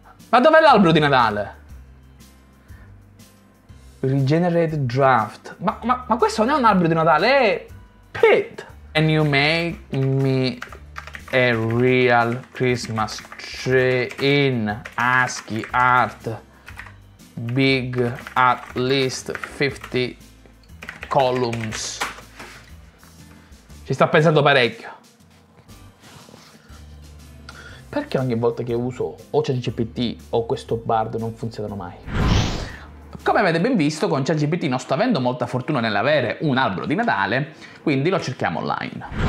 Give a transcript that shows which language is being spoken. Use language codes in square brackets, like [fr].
[it] Ma dov'è l'albero di Natale? Regenerate draft. Ma questo non è un albero di Natale, è pit. [en] Can you make me a real Christmas tree in ASCII art, big at least 50 columns? [it] Ci sta pensando parecchio. Perché ogni volta che uso o ChatGPT o questo Bard non funzionano mai? Come avete ben visto, con ChatGPT non sto avendo molta fortuna nell'avere un albero di Natale, quindi lo cerchiamo online.